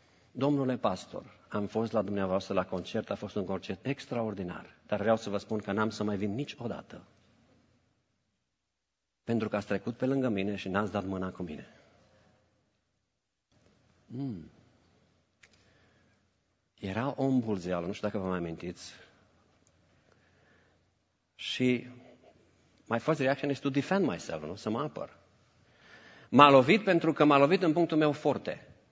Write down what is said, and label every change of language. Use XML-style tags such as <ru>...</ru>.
<ro>Domnule pastor, am fost la dumneavoastră la concert, a fost un concert extraordinar, dar vreau să vă spun că n-am să mai vin niciodată. Pentru că ați trecut pe lângă mine și n-ați dat mâna cu mine. Era o îmbulzeală, nu știu dacă vă mai amintiți.</ro> <en>Și my first reaction is to defend myself, nu?</en> <ro>Să mă apăr. M-a lovit pentru că m-a lovit în punctul meu forte.</ro>